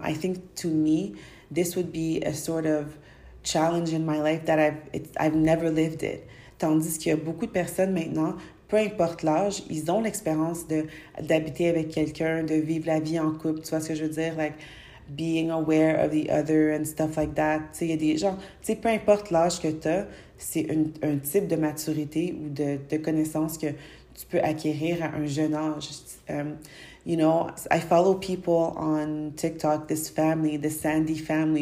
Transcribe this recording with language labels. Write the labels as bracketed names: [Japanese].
[English] I think to me, this would be a sort of challenge in my life that I've never lived it. [French] Tandis qu'il y a beaucoup de personnes maintenant, peu importe l'âge, ils ont l'expérience d'habiter avec quelqu'un, de vivre la vie en couple, tu vois ce que je veux dire? [English] Like, being aware of the other and stuff like that. [French] Tu sais, il y a des gens, tu sais, peu importe l'âge que tu as, c'est un type de maturité ou de connaissance que tu peux acquérir à un jeune âge. [English] You know, I follow people on TikTok, this family, the Sandy family.